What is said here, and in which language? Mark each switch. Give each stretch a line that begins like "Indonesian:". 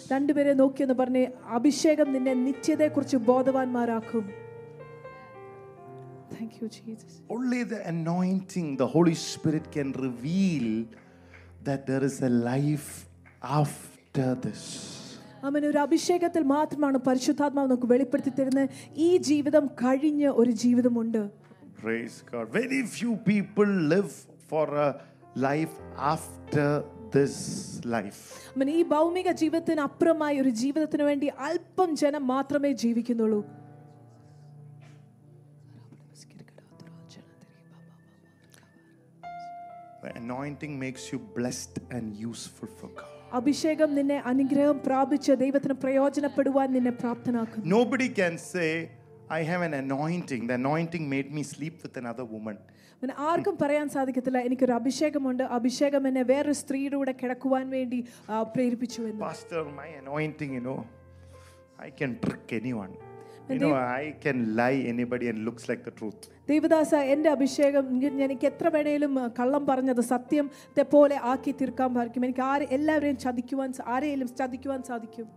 Malayalam: രണ്ടുപേരെ നോക്കി എന്ന് പറഞ്ഞ അഭിഷേകം നിന്നെ നിത്യത്തെ കുറിച്ച് ബോധവാന്മാരാക്കും.
English: Thank you, Jesus. Only the anointing, the Holy Spirit can reveal that there is a life after this.
Malayalam: അമ്മൻ ഒരു അഭിഷേകത്തിൽ മാത്രമാണ് പരിശുദ്ധാത്മാവ് നമുക്ക് വെളിപ്പെടുത്തി തരുന്നത്. ഈ ജീവിതം കഴിഞ്ഞ ഒരു ജീവിതമുണ്ട്.
English: Praise God. Very few people live for a life after this life.
Malayalam: അമ്മൻ ഈ ഭൗമിക ജീവിതത്തിന് അപ്പുറമായി ഒരു ജീവിതത്തിന് വേണ്ടി അല്പം ജനം മാത്രമേ ജീവിക്കുന്നുള്ളൂ.
English: The anointing makes you blessed and useful for God.
Malayalam: അഭിഷേകം നിന്നെ അനുഗ്രഹം പ്രാപിച്ച ദൈവത്തിന് പ്രയോജനപ്പെടുവാൻ നിന്നെ പ്രാപ്തനാക്കുന്നു.
English: Nobody can say I have an anointing. The anointing made me sleep with another woman.
Malayalam: ഞാൻ ആർക്കും പറയാൻ സാധിക്കില്ല എനിക്ക് ഒരു അഭിഷേകമുണ്ട്, അഭിഷേകം എന്നെ വേറൊരു സ്ത്രീയുടെ കൂടെ കിടക്കുവാൻ വേണ്ടി പ്രേരിപ്പിച്ചു എന്ന്.
English: Pastor, my anointing, you know, I can trick anyone. You know, I can lie anybody and looks like the truth.
Malayalam: ദേവദാസ, എന്റെ അഭിഷേകം എനിക്ക് എത്ര വേണേലും കള്ളം പറഞ്ഞത് സത്യത്തെ പോലെ ആക്കി തീർക്കാൻ പറ്റും. എനിക്ക് എല്ലാവരെയും ചതിക്കുവാൻ ആരെയും ചതിക്കുവാൻ സാധിക്കും.